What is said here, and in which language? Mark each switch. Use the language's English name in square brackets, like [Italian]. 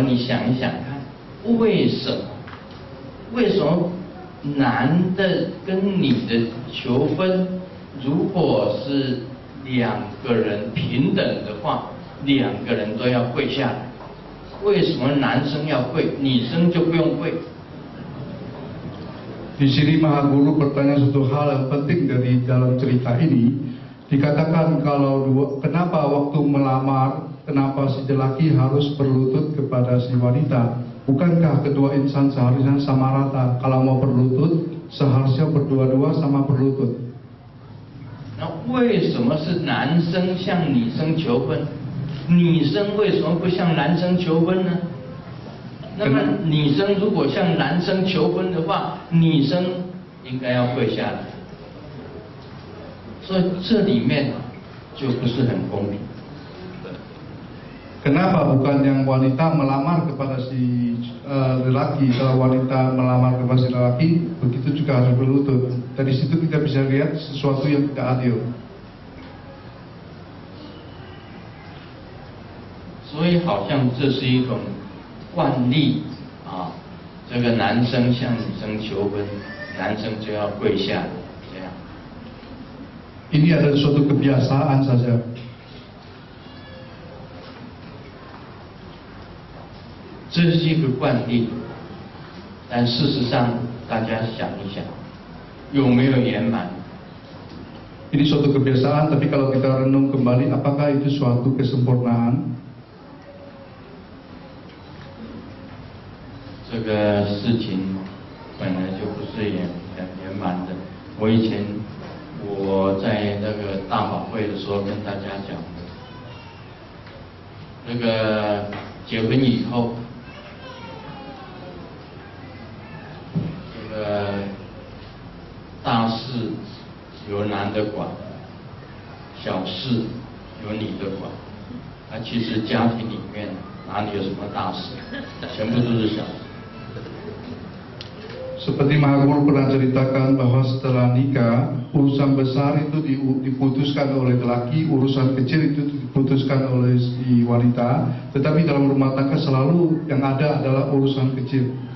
[Chinese] 你想一想看，为什么？为什么男的跟女的求婚，如果是两个人平等的话？两个人都要跪下，为什么男生要跪，女生就不用跪？ [Indonesian] Di sini Maha Guru bertanya satu hal yang penting dari dalam cerita ini. Dikatakan kalau dua, kenapa waktu melamar, kenapa si lelaki harus berlutut kepada si wanita? Bukankah kedua insan seharusnya sama rata? Kalau mau berlutut, seharusnya berdua-dua sama berlutut. [Chinese] 那为什么是男生向女生求婚？女生为什么不向男生求婚呢？那么女生如果向男生求婚的话，女生应该要跪下来。所以这里面就不是很公平。 [Indonesian] kenapa bukan yang wanita melamar kepada si lelaki, kalau wanita melamar kepada si lelaki, begitu juga harus berlutut. Dari situ kita bisa lihat sesuatu yang tidak adil. Jadi, [Chinese] 好像这是一种惯例啊，这个男生向女生求婚，男生就要跪下，这样。 [Indonesian] Ini adalah suatu kebiasaan saja. [Chinese] 这是一个惯例，但事实上，大家想一想，有没有圆满？ [Indonesian] Ini suatu kebiasaan, tapi kalau kita renung kembali, apakah itu suatu kesempurnaan? [Chinese] 这个事情本来就不是圆满的。我以前我在那个大法会的时候跟大家讲，那个结婚以后，这个大事由男的管，小事由女的管。那其实家庭里面哪里有什么大事，全部都是小事。 [Indonesian] Seperti Mahakur pernah ceritakan bahwa setelah nikah, urusan besar itu diputuskan oleh lelaki, urusan kecil itu diputuskan oleh si wanita. Tetapi dalam rumah tangga selalu yang ada adalah urusan kecil.